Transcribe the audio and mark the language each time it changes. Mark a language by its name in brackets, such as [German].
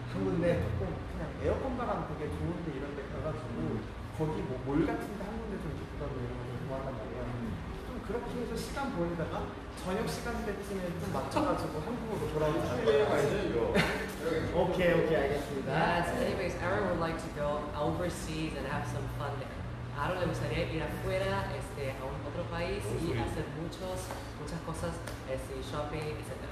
[Korean] 근데 조금 그냥 에어컨 바람 되게 좋은데 이런 데 가가지고 거기 뭐 몰 같은 데 한 군데 좀 좋다고 이런 걸 좋아하단 말이야. 좀 그렇게 해서 시간 보내다가 저녁 시간대쯤에 좀 맞춰가지고 한국으로 돌아오는 거 아니지? 오케이 오케이 알겠습니다. [English] Anyways, everyone would like to go overseas and have some fun there. [Spanish] Ahora le gustaría ir afuera, este, a un otro país y hacer muchos, muchas cosas, este, shopping, etc.